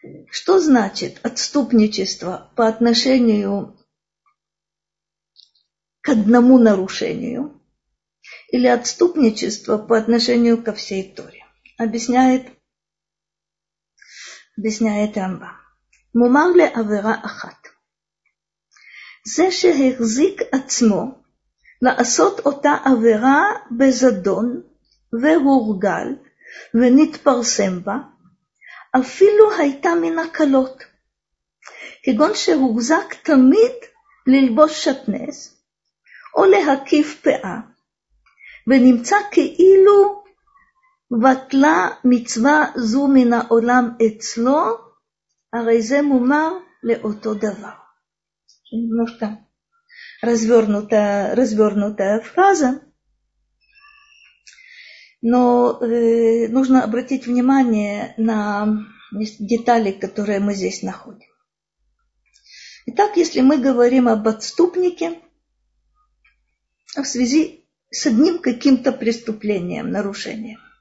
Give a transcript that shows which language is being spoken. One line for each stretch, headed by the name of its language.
Russian: Что значит отступничество по отношению к одному нарушению или отступничество по отношению ко всей Торе? Объясняет Рамбам.
Hebrew: Мумар ле авера ахат. זה שהחזיק עצמו לעשות אותה עבירה בזדון והורגל ונתפרסם בה, אפילו הייתה מן הקלות, כגון שהוחזק תמיד ללבוש שטנז או להקיף פאה, ונמצא כאילו בטלה מצווה זו מן העולם אצלו, הרי זה מומר לאותו דבר.
Russian: Ну что, развернутая фраза. Но нужно обратить внимание на детали, которые мы здесь находим. Итак, если мы говорим об отступнике в связи с одним каким-то преступлением, нарушением.